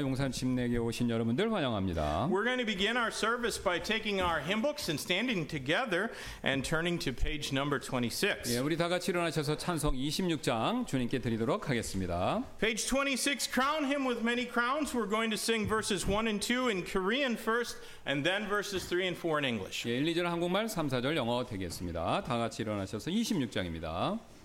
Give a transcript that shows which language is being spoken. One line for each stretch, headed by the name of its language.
Korean: 용산 침례교에 오신 여러분들 환영합니다.
English: We're going to begin our service by taking our hymn books and standing together and turning to page number 26.
Korean: 예, 우리 다 같이 일어나셔서 찬송 26장 주님께 드리도록 하겠습니다.
English: Page 26, crown him with many crowns. We're going to sing verses 1 and 2 in Korean first and then verses 3 and 4 in English.
Korean: 예, 1, 2절 한국말, 3, 4절 영어 되겠습니다. 다 같이 일어나셔서 26장입니다.